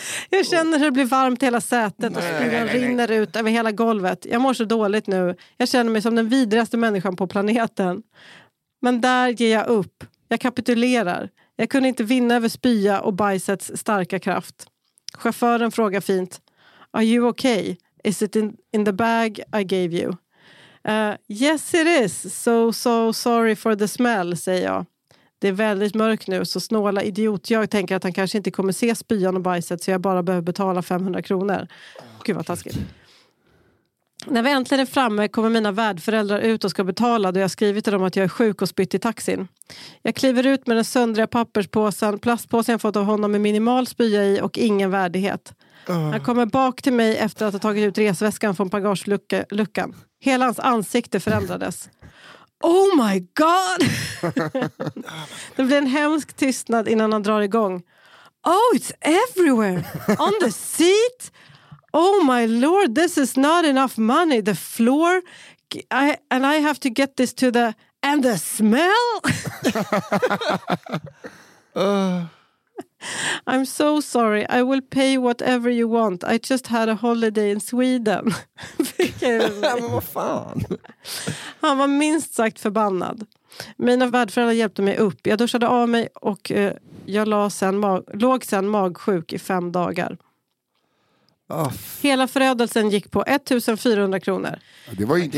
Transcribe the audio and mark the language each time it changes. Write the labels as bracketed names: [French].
[Swedish] Jag känner hur det blir varmt hela sätet och spyan rinner ut över hela golvet. Jag mår så dåligt nu. Jag känner mig som den vidrigaste människan på planeten. Men där ger jag upp. Jag kapitulerar. Jag kunde inte vinna över spya och bajsets starka kraft. Chauffören frågar fint. [English] Are you okay? Is it in the bag I gave you? Yes it is. So sorry for the smell, [Swedish] säger jag. Det är väldigt mörkt nu, så snåla idiot. Jag tänker att han kanske inte kommer se spyan och bajset, så jag bara behöver betala 500 kronor. Gud vad taskigt. När vi äntligen är framme kommer mina värdföräldrar ut och ska betala, då jag skrivit till dem att jag är sjuk och spytt i taxin. Jag kliver ut med den söndriga papperspåsen, plastpåsen jag fått av honom med minimal spya i och ingen värdighet. Han kommer bak till mig efter att ha tagit ut resväskan från bagageluckan. Hela hans ansikte förändrades. [English] Oh my god! [Swedish] Det blir en hemsk tystnad innan han drar igång. [English] Oh, it's everywhere! On the seat! Oh my lord, this is not enough money. The floor, I have to get this to the... And the smell? I'm so sorry. I will pay whatever you want. I just had a holiday in Sweden. [Swedish] Men vad fan? Han var minst sagt förbannad. Mina värdföräldrar hjälpte mig upp. Jag duschade av mig och jag låg sen magsjuk i 5 dagar. Hela förödelsen gick på 1400 kronor. Det var ju inte